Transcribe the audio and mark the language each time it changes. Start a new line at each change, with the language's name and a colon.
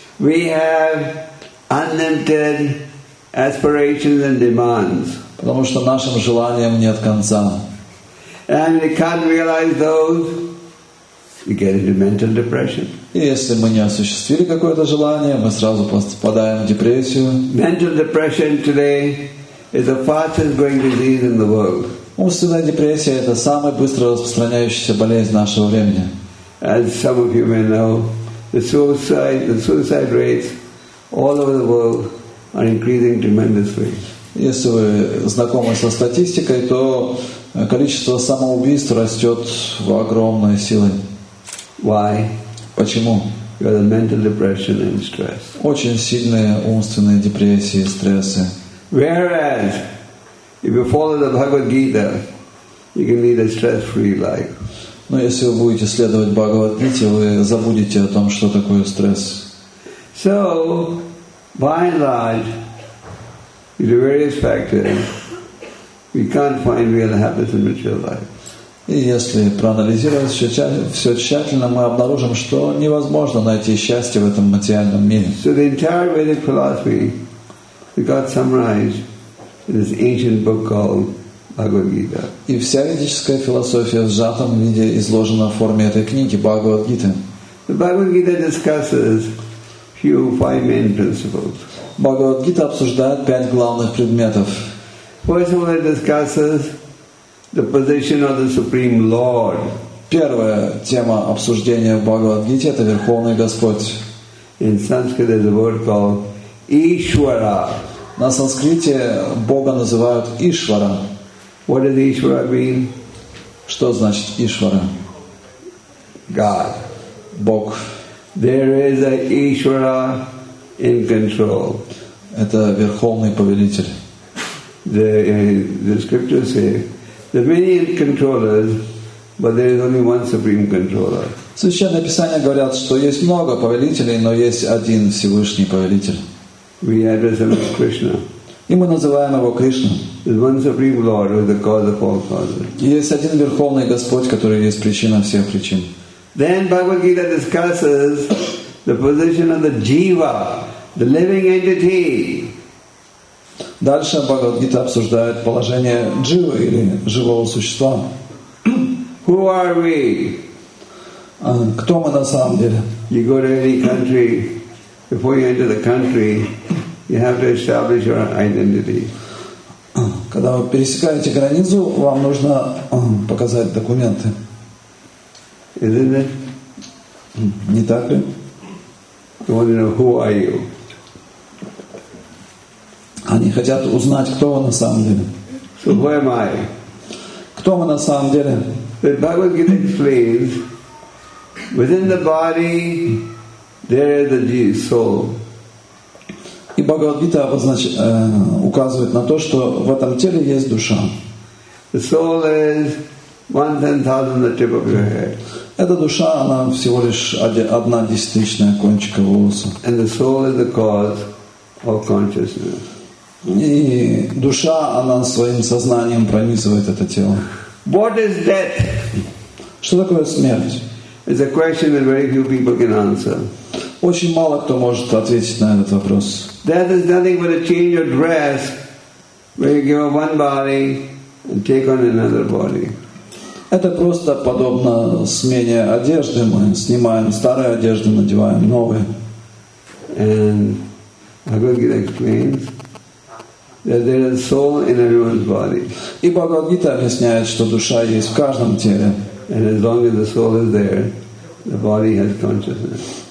English: We have unlimited aspirations and demands.
Russian: Потому что нашим желаниям нет конца.
English: And we can't realize those. You get into mental depression.
Russian: Если мы не осуществили какое-то желание, мы сразу попадаем в депрессию.
English: Mental depression today is the fastest growing disease in the world.
Russian: Умственная депрессия — это самая быстро распространяющаяся болезнь нашего времени.
English: As some of you may know, the suicide rates all over the world are increasing tremendously.
Russian: Если вы знакомы со статистикой, то количество самоубийств растет в огромной силе.
English: Why?
Russian: Почему?
English: Because of mental depression and stress.
Russian: Очень сильные умственные депрессии и стрессы.
English: Whereas, if you follow the Bhagavad Gita, you can lead a stress-free life.
Russian: Но если вы будете следовать Бхагавад-гите, вы забудете о том, что такое стресс.
English: So, by and large, due to various factors, we can't find real happiness in material life.
Russian: И если проанализировать все тщательно, мы обнаружим, что невозможно найти счастье в этом материальном мире.
English: So the entire Vedic philosophy got summarized in this ancient book called Bhagavad Gita.
Russian: И вся ведическая философия в сжатом виде изложена в форме этой книги Бхагавад Гиты.
English: The Bhagavad Gita discusses few five main principles.
Russian: Бхагавад Гита обсуждает пять главных предметов.
English: First of all, it discusses the position of the Supreme Lord.
Russian: Первая тема обсуждения в Бхагавад-гите — это Верховный Господь.
English: In Sanskrit there's a word called Ishvara.
Russian: На санскрите Бога называют Ишвара.
English: What does Ishvara mean?
Russian: Что значит Ишвара?
English: God.
Russian: Бог.
English: There is an Ishvara in control.
Russian: Это Верховный Повелитель.
English: The scriptures say there are many controllers, but there is only one supreme controller.
Russian: Священные писания говорят, что есть много повелителей, но есть один Всевышний повелитель.
English: We address him as Krishna.
Russian: И мы называем его Кришна.
English: There's one supreme Lord who is the cause of all causes.
Russian: И есть один Верховный Господь, который есть причина всех причин.
English: Then Bhagavad Gita discusses the position of the jiva, the living entity.
Russian: Дальше Бхагавад-гита обсуждает положение дживы, или живого существа.
English: Who are we?
Russian: Кто мы на самом деле?
English: You go to any country, before you enter the country, you have to establish your identity.
Russian: Когда вы пересекаете границу, вам нужно показать документы.
English: Isn't it?
Russian: Не так ли?
English: You want to know who are you?
Russian: Они хотят узнать, кто вы на самом деле.
English: So who am I?
Russian: Кто мы на самом деле?
English: The Bhagavad Gita explains, within the body there is the soul.
Russian: И Бхагавад Гита указывает на то, что в этом теле есть душа.
English: The soul is 1/10,000 the tip of your head.
Russian: Эта душа, она всего лишь 1/10 кончика волоса.
English: And the soul is the cause of consciousness.
Russian: И душа, она своим сознанием пронизывает это тело.
English: What is death?
Russian: Что такое смерть?
English: It's a question that very few people can answer.
Russian: Очень мало кто может ответить на этот вопрос.
English: Death is nothing but a change of dress, where you give up one body and take on another body.
Russian: Это просто подобно смене одежды. Мы снимаем старую одежду, надеваем новую.
English: And I'm going to get explained that there is a soul in everyone's body.
Russian: И Бхагавад-гита объясняет, что душа есть в каждом теле.
English: And as long as the soul is there, the body has consciousness.